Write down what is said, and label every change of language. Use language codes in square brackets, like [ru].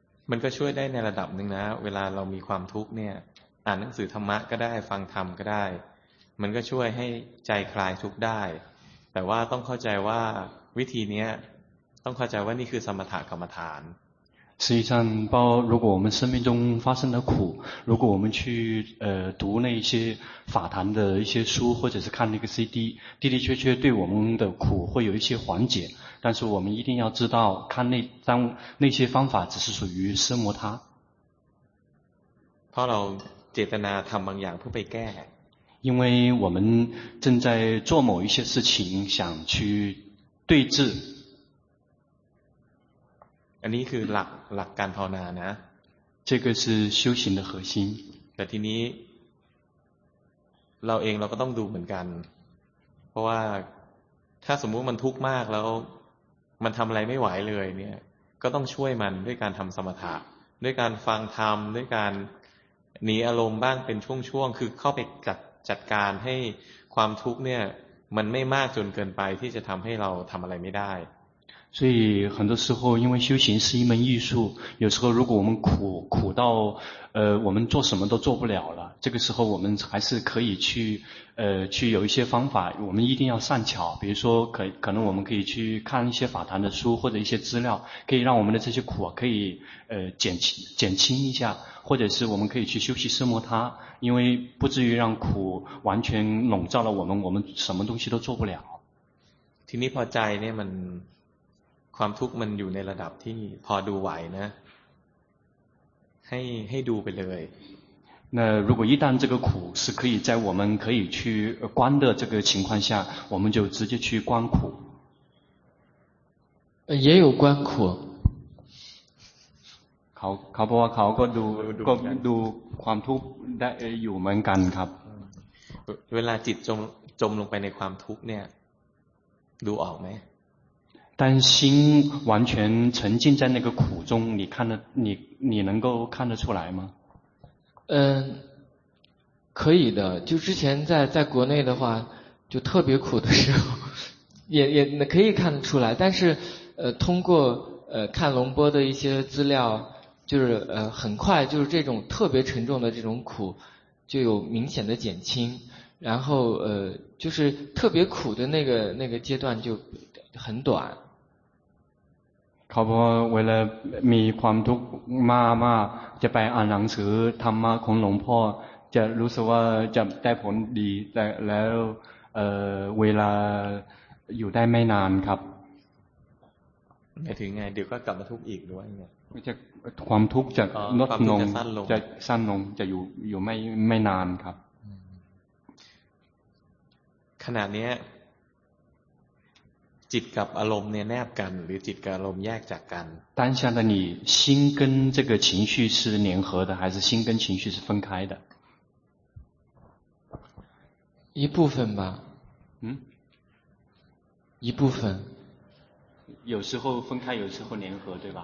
[th] มันก็ช่วยได้ในระดับนึงนะเวลาเรามีความทุกข์เนี่ยอ่านหนังสือธรรมะก็ได้ฟังธรรมก็ได้มันก็ช่วยให้ใจคลายทุกข์ได้แต่ว่าต้องเข้าใจว่าวิธีนี้ต้องเข้าใจว่านี่คือสมถกรรมฐาน [zh] 实际上包括如果我们生命中发生的苦如果我们去读那些法坛的一些书或者是看那个 CD 的的确确对我们的苦会有一些缓解但是我们一定要知道看那些方法只是属于奢摩他 [th] เพราะเราเจตนาทำบางอย่างเพื่อไปแก้ [zh] 因为我们正在做某一些事情想去对治 [th] อันนี้คือหลักการภาวนานะ [zh] 这个是修行的核心 [th] แต่ทีนี้เราเองเราก็ต้องดูเหมือนกันเพราะว่าถ้าสมมุติมันทุกข์มากแล้วมันทำอะไรไม่ไหวเลยเนี่ยก็ต้องช่วยมันด้วยการทำสมถะด้วยการฟังธรรมด้วยการหนีอารมณ์บ้างเป็นช่วงๆคือเข้าไปจัดการให้ความทุกข์เนี่ยมันไม่มากจนเกินไปที่จะทำให้เราทำอะไรไม่ได้ [zh] 所以很多时候因为修行是一门艺术有时候如果我们苦到我们做什么都做不了了这个时候我们还是可以去有一些方法我们一定要善巧比如说可能我们可以去看一些法坛的书或者一些资料可以让我们的这些苦可以减轻一下或者是我们可以去修习奢摩他因为不至于让苦完全笼罩了我们什么东西都做不了 [th] ทีนี้พอใจเนี่ยมันความทุกข์มันอยู่ในระดับที่พอดูไหวนะให้ดูไปเลย [zh] 那如果一旦这个苦是可以在我们可以去观的这个情况下我们就直接去观苦也有观苦 [th] เขาบอกว่าเขาก็ดูก็ดูความทุกข์ได้อยู่เหมือนกันครับ เวลาจิตจมลงไปในความทุกข์เนี่ยดูออกไหม [zh] 但心完全沉浸在那个苦中你看得你能够看得出来吗可以的就之前在国内的话就特别苦的时候也可以看得出来但是通过看龙波的一些资料就是很快就是这种特别沉重的这种苦就有明显的减轻然后就是特别苦的那个阶段就很短 [th] ขาบอกเวลามีความทุกข์มากๆจะไปอ่านหนังสือธรรมะของหลวงพ่อจะรู้สึกว่าจะได้ผลดีแต่แล้ว เวลาอยู่ได้ไม่นานครับ หมายถึงไงเดี๋ยวก็กลับมาทุกข์อีกด้วยไง จะความทุกข์จะลด ลง จะสั้นลงจะอยู่ไม่นานครับ ขณะนี้จิตกับอารมณ์เนี่ยแนบกันหรือจิตกับอารมณ์แยกจากกัน [zh] 当下的你心跟这个情绪是联合的还是心跟情绪是分开的一部分吧嗯一部分有时候分开有时候联合对吧